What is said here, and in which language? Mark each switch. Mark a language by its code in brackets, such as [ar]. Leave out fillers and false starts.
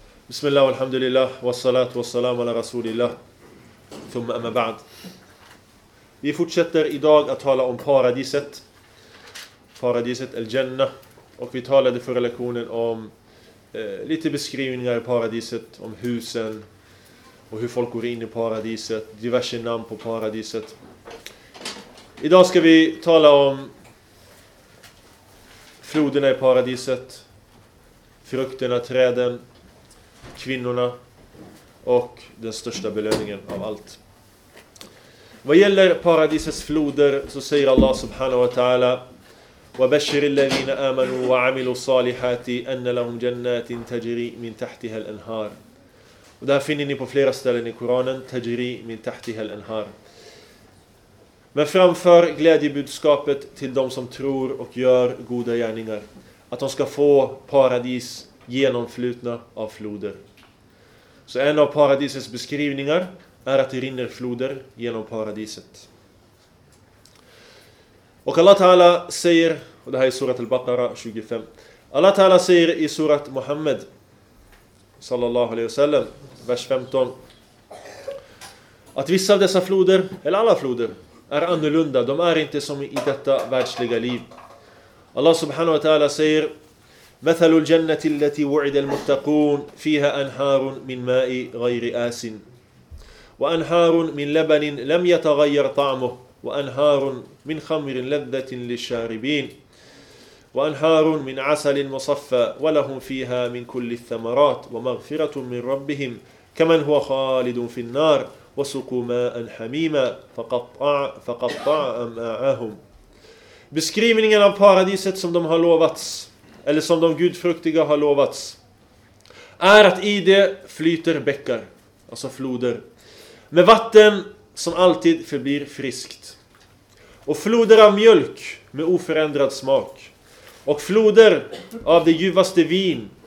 [ar] بسم الله والحمد لله والصلاة والسلام على رسول الله ثم أما بعد. [sv] Vi fortsätter idag att tala om paradiset. Paradiset al-Janna. Och vi talade förra lektionen om lite beskrivningar i paradiset, om husen och hur folk går in i paradiset, diverse namn på paradiset. Idag ska vi tala om floderna i paradiset, frukterna, träden, kvinnorna och den största belöningen av allt. Vad gäller paradisets floder så säger Allah subhanahu wa ta'ala: [ar] وَبَشِّرِ الَّذِينَ آمَنُوا وَعَمِلُوا الصَّالِحَاتِ أَنَّ لَهُمْ جَنَّاتٍ تَجْرِي مِنْ تَحْتِهَا الْأَنْهَارِ. [sv] Och det här finner ni på flera ställen i Koranen. [ar] تَجْرِي مِنْ تَحْتِهَا الْأَنْهَارِ. [sv] Men framför glädjebudskapet till de som tror och gör goda gärningar, att de ska få paradis genomflutna av floder. Så en av paradisets beskrivningar är att det rinner floder genom paradiset. Och Allah Ta'ala säger, och det här är surat al-Baqara 25. Allah Ta'ala säger i surat Muhammad sallallahu alaihi wasallam, vers 15, att vissa av dessa floder, eller alla floder, är annorlunda. De är inte som i detta världsliga liv. Allah subhanahu wa ta'ala säger: [ar] مثل الجنة التي وعد المتقون فيها أنهار من ماء غير آس وأنهار من لبن لم يتغير طعمه وأنهار من خمر لذة للشاربين وأنهار من عسل مصفى ولهم فيها من كل الثمرات ومغفرة من ربهم كمن هو خالد في النار وسقوا ماء حميما فقطع أمعاهم. [sv] Beskrivningen av paradiset som de har lovats, eller som de gudfruktiga har lovats, är att i det flyter bäckar, alltså floder, med vatten som alltid förblir friskt. Och floder av mjölk med oförändrad smak. Och floder av det ljuvaste vin.